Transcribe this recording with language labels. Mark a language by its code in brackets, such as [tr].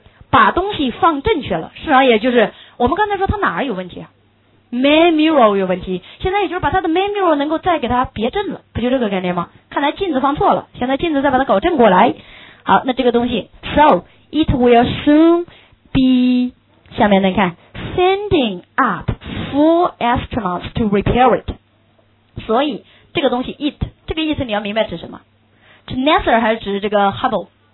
[zh] 把东西放正确了，是啊，也就是我们刚才说它哪儿有问题啊？ main mirror 有问题，现在也就是把它的 main mirror 能够再给它别正了，不就这个概念吗？看来镜子放错了，现在镜子再把它搞正过来。好，那这个东西 [en] so it will soon be， [zh] 下面来看 [en] sending up four astronauts to repair it。 [zh] 所以这个东西 it， 这个意思你要明白指什么，指 NASA 还是指这个 Hubble？